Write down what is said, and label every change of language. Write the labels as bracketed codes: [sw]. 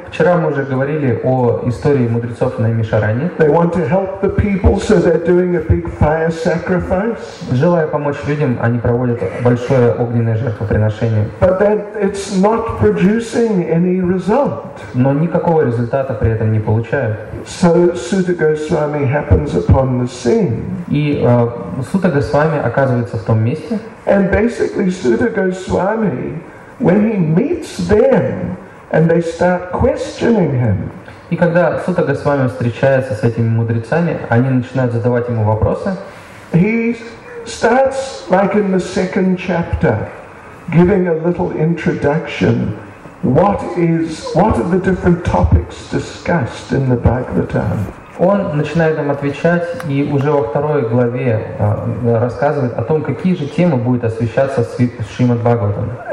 [ru] Вчера мы уже говорили о истории мудрецов в Наймишаране. [en] They want to help the people, so they're doing a big fire sacrifice. [ru] Желая помочь людям, они проводят большое огненное жертвоприношение. [en] But then it's not producing any result. [ru] Но никакого результата при этом не получают. [en] So Suta Goswami happens upon the scene. [ru] И Сута Госвами оказывается в том месте. [en] And basically Suta Goswami, when he meets them and they start questioning him. [ru] И когда Сута Госвами встречается с этими мудрецами, они начинают задавать ему вопросы. [en] He starts, like in the second chapter, giving a little introduction. What are the different topics discussed in the Bhagavatam? [ru] Он начинает им отвечать и уже во второй главе рассказывает о том, какие же темы будут освещаться с Шримад Бхагаватом.